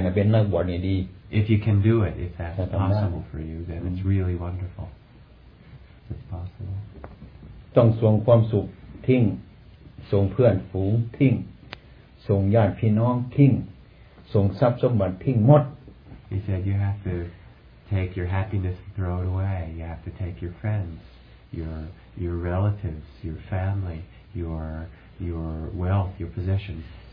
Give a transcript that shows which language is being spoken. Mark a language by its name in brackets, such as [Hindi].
[English] If you can do it, if that's possible for you, then it's really wonderful. If it's possible. [Thai] ต้องส่งความสุขทิ้งส่งเพื่อนฝูงทิ้งส่งญาติพี่น้องทิ้งส่งทรัพย์สมบัติทิ้งหมด [English] He said you have to take your happiness and throw it away. You have to take your friends, your relatives, your family, your wealth, your possessions.